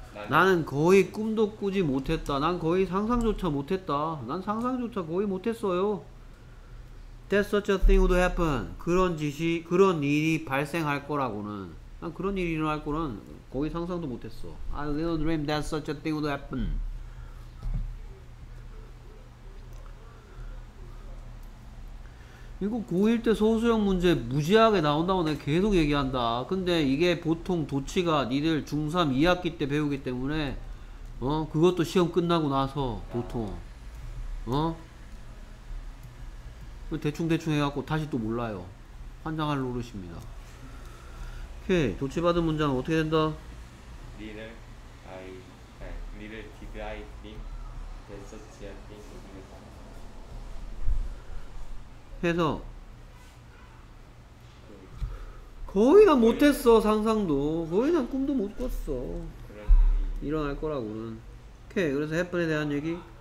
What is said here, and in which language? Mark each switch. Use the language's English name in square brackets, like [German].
[Korean] 나는 거의 꿈도 꾸지 못했다. 난 거의 상상조차 못했다. 난 상상조차 거의 못했어요. [English] That such a thing would happen. [Korean] 그런 일이 발생할 거라고는. 난 그런 일이 일어날 거는 거의 상상도 못했어. [English] I little dream that such a thing would happen. [Korean] 이거 고1 때 소수형 문제 무지하게 나온다고 내가 계속 얘기한다. 근데 이게 보통 도치가 니들 중3 2학기 때 배우기 때문에 어? 그것도 시험 끝나고 나서 보통 어? 대충 해갖고 다시 또 몰라요. 환장할 노릇입니다. 오케이, 도치 받은 문장은 어떻게 된다? [English] Little I little did I think that such a thing would happen. [Korean] 해서 거의 다 못했어. 상상도 거의 다 꿈도 못 꿨어. 일어날 거라고는. 오케이, 그래서 해픈에 대한 얘기.